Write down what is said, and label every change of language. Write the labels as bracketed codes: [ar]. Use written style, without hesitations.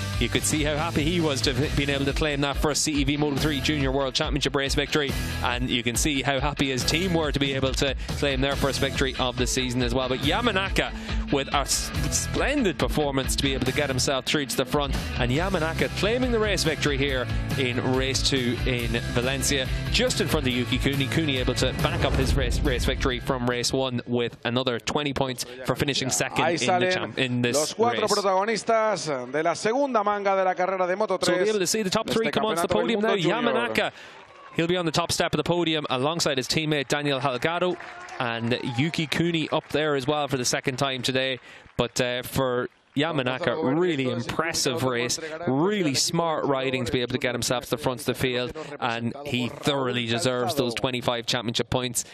[en] You could see how happy he was to have been able to claim that first CEV Moto3 Junior World Championship race victory, and you can see how happy his team were to be able to claim their first victory of the season as well. But Yamanaka with a splendid performance to be able to get himself through to the front, and Yamanaka claiming the race victory here in race 2 in Valencia, just in front of Yuki Kuni. Kuni able to back up his race victory from race 1 with another 20 points for finishing second in this race. [es] Los cuatro protagonistas de la segunda manga de la carrera de Moto3. [en] So we'll be able to see the top three come onto the podium now. Yamanaka, he'll be on the top step of the podium alongside his teammate Daniel Halgado, and Yuki Kuni up there as well for the second time today. But for Yamanaka, really impressive race, really smart riding to be able to get himself to the front of the field, and he thoroughly deserves those 25 championship points.